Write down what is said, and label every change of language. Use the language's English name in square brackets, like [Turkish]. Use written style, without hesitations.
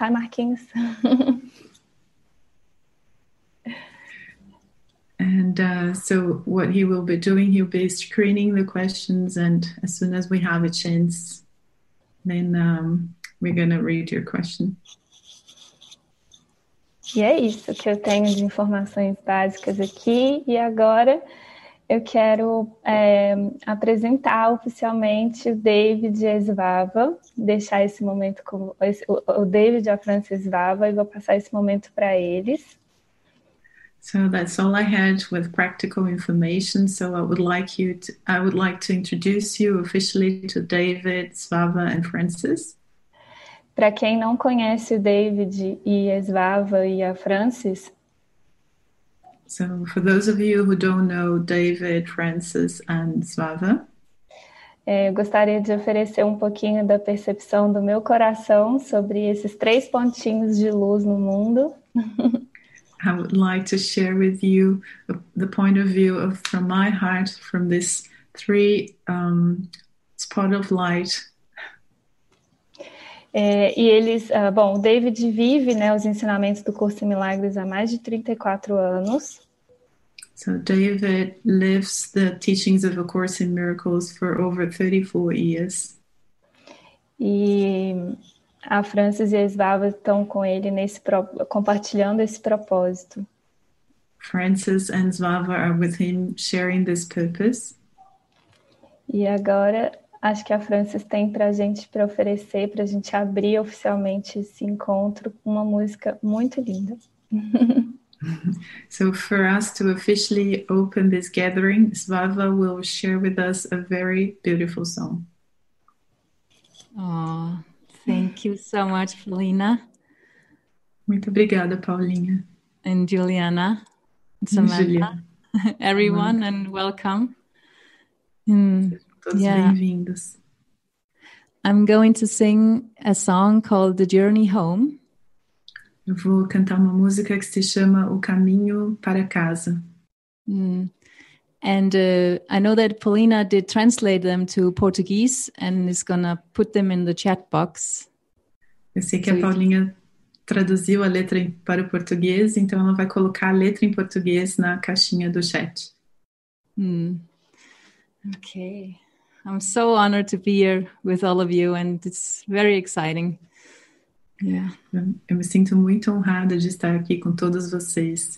[English] Hi, Marquinhos. And so what he will be doing, he'll be screening the questions, and as soon as we have a chance, then we're going to read your question. [Portuguese] E é isso que eu tenho de informações básicas aqui. E agora eu quero apresentar oficialmente o David e a Svava, deixar esse momento com o David e a Svava, e vou passar esse momento para eles. [English] So that's all I had with practical information. So I would like to introduce you officially to David, Svava, and Francis. [Portuguese] Para quem não conhece o David e a Svava e a Francis, [English] So for those of you who don't know David, Francis, and Svava. [Portuguese] gostaria de oferecer um pouquinho da percepção do meu coração sobre esses três pontinhos de luz no mundo. [English] I would like to share with you the point of view of from my heart from this three spot of light. [Portuguese] E eles, bom, o David vive, né, os ensinamentos do Curso em Milagres há mais de 34 anos. [English] So David lives the teachings of A Course in Miracles for over 34 years. [Portuguese] E a Frances e a Svava estão com ele compartilhando esse propósito. [English] Francis and Svava are with him sharing this purpose. [Portuguese] E agora, acho que a Frances tem para a gente para oferecer, para a gente abrir oficialmente esse encontro, uma música muito linda. [English] So for us to officially open this gathering, Svava will share with us a very beautiful song. Oh, thank you so much, Felina. [Portuguese] Muito obrigada, Paulinha. [English] And Juliana, Samantha, Julia, everyone, and welcome. [Portuguese] todos bem-vindos. [English] I'm going to sing a song called The Journey Home. [Portuguese] Eu vou cantar uma música que se chama O Caminho para Casa. [English] And I know that Paulina did translate them to Portuguese and is gonna put them in the chat box. [Portuguese] Eu sei que a [English] So you can. [Portuguese] Paulinha traduziu a letra para o português, então ela vai colocar a letra em português na caixinha do chat. [English] Okay. I'm so honored to be here with all of you, and it's very exciting. [Portuguese] Eu me sinto muito honrada de estar aqui com todos vocês.